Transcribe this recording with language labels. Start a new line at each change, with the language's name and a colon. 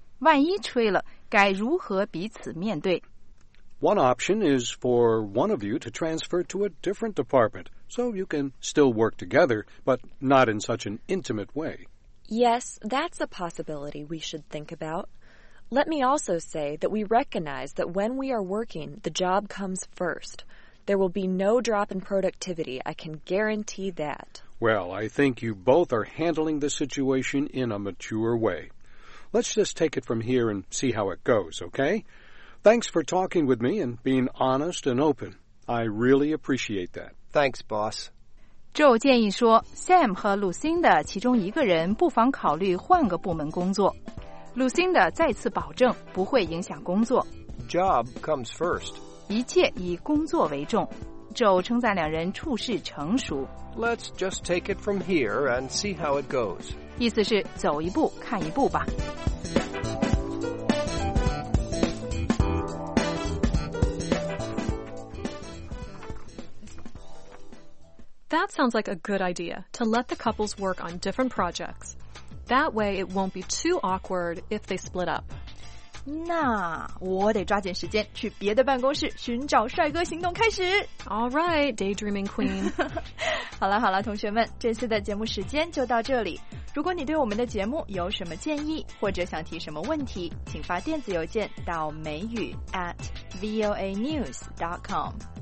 Chinese: 万一吹了，该如何彼此面对
English: ？One option is for one of you to transfer to a different department, so you can still work together, but not in such an intimate way. Yes, that's a possibility we should think about. Let me also say that we recognize that when we are working, the job comes first. There will be no drop in productivity, I can guarantee that. Well, I think you both are handling the situation in a mature way. Let's just take it from here and see how it goes, okay? Thanks for talking with me and being honest and open. I really appreciate that. Thanks, boss.
Chinese: Joe 建议说 ,Sam 和 Lucinda 其中一个人不妨考虑换个部门工作。 Lucinda 再次保证不会影响工作。
English: Job comes first.
Chinese: 一切以工作为重 Joe 称赞两人处事成熟
English: Let's just take it from here and see how it goes
Chinese: 意思是走一步看一步吧
English: That sounds like a good idea to let the couples work on different projects That way it won't be too awkward if they split up
Chinese: 那我得抓紧时间去别的办公室寻找帅哥行动开始
English: All right, daydreaming queen
Chinese: 好了好了同学们这次的节目时间就到这里如果你对我们的节目有什么建议或者想提什么问题请发电子邮件到美语 @voanews.com